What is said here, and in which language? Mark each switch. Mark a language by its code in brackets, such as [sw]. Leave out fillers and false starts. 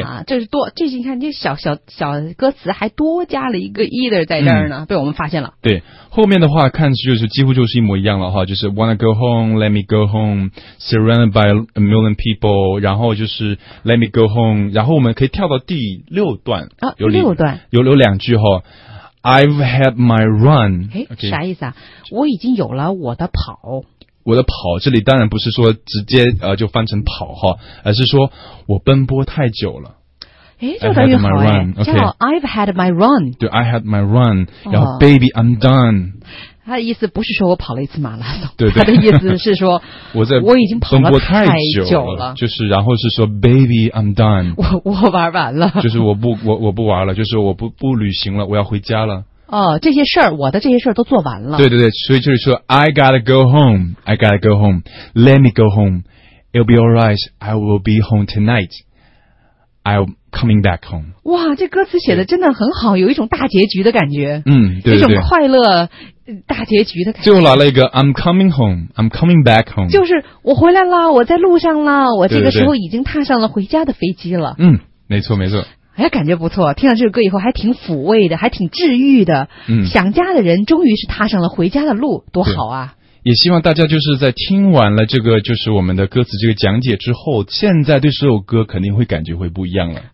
[zh] 啊，这是多，这是你看这小歌词还多加了一个 either 在这儿呢、嗯，被我们发现了。对，后面的话看就是几乎就是一模一样了哈，就是 [en] wanna go home, let me go home, surrounded by a million people， [zh] 然后就是 [en] let me go home， [zh] 然后我们可以跳到第六段啊，有六段，有两句哈 [en] ，I've had my run，哎、 okay ， [zh] 啥意思啊？我已经有了我的跑。我的跑这里当然不是说直接就翻成跑哈，而是说我奔波太久了。诶，就等于好诶，叫 [en] I've had my run。对 ，I had my run， [zh] 然后 [en] Baby I'm done。 [zh] 他的意思不是说我跑了一次马拉松，对对，他的意思是说我已经跑了太久了，就是然后是说 [en] Baby I'm done， [zh] 我玩完了，就是我不玩了，就是我不旅行了，我要回家了。哦，这些事儿，我的这些事儿都做完了。对对对，所以就是说 [en] ，I gotta go home, I gotta go home, let me go home, it'll be alright, I will be home tonight, I'm coming back home。 [zh] 哇，这歌词写的真的很好，有一种大结局的感觉。嗯，对对对，一种快乐大结局的感觉。最后来了一个 [en] I'm coming home, I'm coming back home， [zh] 就是我回来了，我在路上了，我这个时候已经踏上了回家的飞机了。对对对，嗯，没错没错。哎，感觉不错，听了这首歌以后还挺抚慰的，还挺治愈的。嗯，想家的人终于是踏上了回家的路，多好啊！也希望大家就是在听完了这个就是我们的歌词这个讲解之后，现在对这首歌肯定会感觉会不一样了。